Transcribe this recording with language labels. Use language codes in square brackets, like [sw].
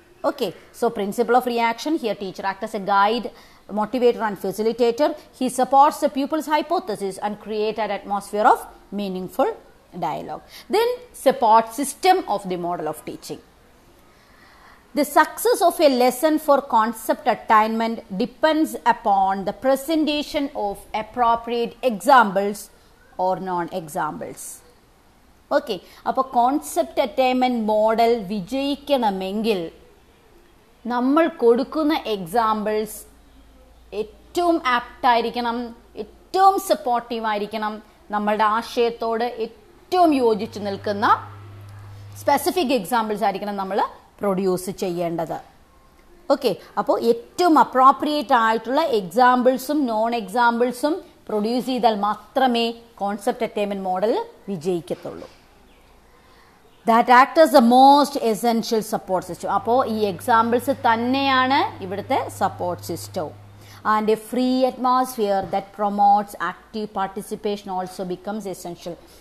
[en] Okay, so principle of reaction here, teacher act as a guide, motivator and facilitator. He supports the pupil's hypothesis and creates an atmosphere of meaningful dialogue. Then support system of the model of teaching. The success of a lesson for concept attainment depends upon the presentation of appropriate examples or non-examples. [ml] Okay, appo concept attainment model vijayikkanamengil nammal kodukkuna examples ഏറ്റവും ആപ്റ്റായിരിക്കണം, ഏറ്റവും സപ്പോർട്ടീവായിരിക്കണം, നമ്മളുടെ ആശയത്തോട് ഏറ്റവും യോജിച്ച് നിൽക്കുന്ന specific examples ആയിരിക്കണം നമ്മൾ produce ചെയ്യേണ്ടത്. Okay, അപ്പോൾ ഏറ്റവും അപ്രോപ്രിയേറ്റ് ആയിട്ടുള്ള എക്സാമ്പിൾസും നോൺ എക്സാമ്പിൾസും പ്രൊഡ്യൂസ് ചെയ്താൽ മാത്രമേ concept attainment model വിജയിക്കത്തുള്ളൂ. [en] That act as the most essential support system. [ml] Appo ee examples thanneyana ivadte support system, [en] and a free atmosphere that promotes active participation also becomes essential.